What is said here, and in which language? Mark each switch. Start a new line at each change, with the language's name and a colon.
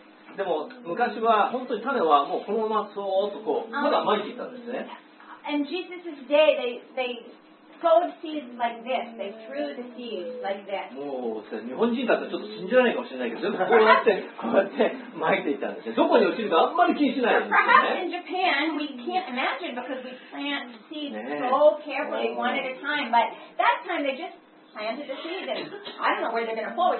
Japanese: でも昔は本当に種はもうこのままそーっとこうまだ撒いていたんですね。
English: And Jesus' day, they sowed seeds like this. They threw the seeds like this.
Japanese: もう日本人だったらちょっと信じられないかもしれないけど、こうやってこうやって撒いていたんですね。どこに落ちるかあんまり気にしないんですね。
English: Perhaps in Japan we can't imagine because we plant seeds so carefully one at a time. But that time they just planted the seed and I don't know where they're going to fall.